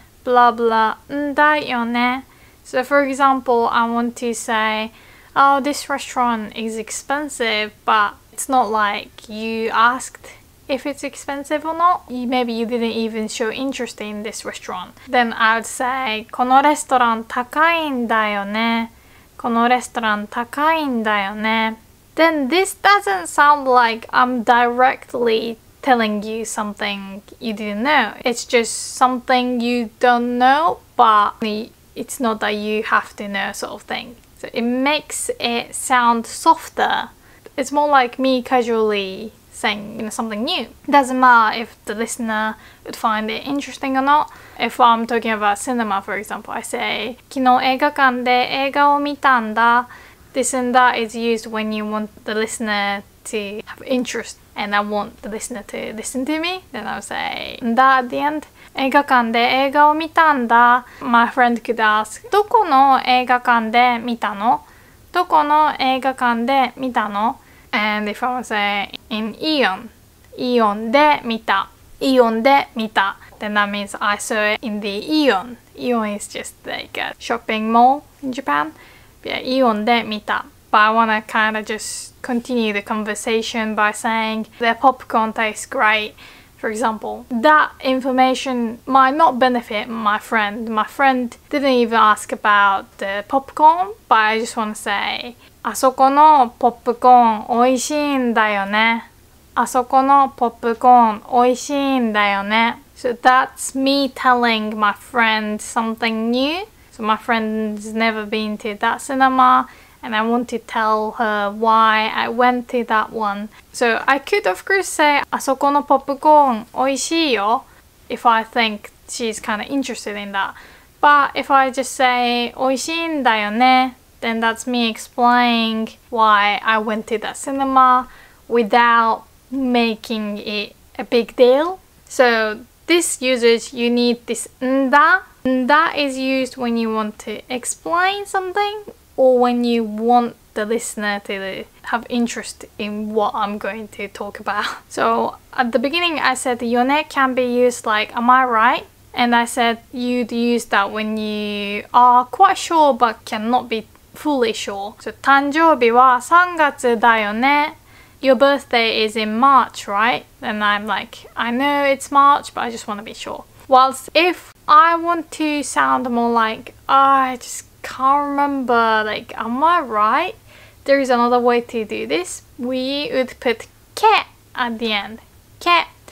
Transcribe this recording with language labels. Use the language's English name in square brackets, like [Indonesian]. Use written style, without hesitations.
[English] Blah blah [Japanese] んだよね。 [English] So for example, I want to say, oh, this restaurant is expensive, but it's not like you askedIf it's expensive or not, maybe you didn't even show interest in this restaurant. Then I would say, [Japanese] このレストラン高いんだよね。このレストラン高いんだよね。 [English] Then this doesn't sound like I'm directly telling you something you didn't know. It's just something you don't know, but it's not that you have to know sort of thing. So it makes it sound softer. It's more like me casually saying, you know, something new. Doesn't matter if the listener would find it interesting or not. If I'm talking about cinema, for example, I say, [Japanese] 昨日映画館で映画を見たんだ。 [English] This and that is used when you want the listener to have interest and I want the listener to listen to me. Then I'll say that at the end. [Japanese] 映画館で映画を見たんだ。 [English] My friend could ask, [Japanese] どこの映画館で見たの? どこの映画館で見たの? [English] And if I would say, in Aeon. Aeon [Japanese] で見た。 Aeon で見た。 [English] Then that means I saw it in the Aeon. Aeon is just like a shopping mall in Japan. Yeah, Aeon [Japanese] で見た. [English] But I want to kind of just continue the conversation by saying their popcorn tastes great. For example, that information might not benefit my friend. My friend didn't even ask about the popcorn, but I just want to say, [Japanese] あそこのポップコーン美味しいんだよね. あそこのポップコーン美味しいんだよね. [English] So that's me telling my friend something new. So my friend's never been to that cinema and I want to tell her why I went to that one. So I could of course say, [Japanese] あそこのポップコーン美味しいよ [English] if I think she's kind of interested in that. But if I just say, [Japanese] 美味しいんだよね [English] then that's me explaining why I went to that cinema without making it a big deal. So this usage, you need this [Japanese] んだ [English] And that is used when you want to explain something or when you want the listener to have interest in what I'm going to talk about. So at the beginning I said yone can be used like am I right? And I said you'd use that when you are quite sure but cannot be fully sure. [Japanese] So 誕生日は3月だよね。 [English] Your birthday is in March, right? And I'm like, I know it's March but I just want to be sure. Whilst ifI want to sound more like, I just can't remember, like, am I right? There is another way to do this. We would put ke at the end. Ke.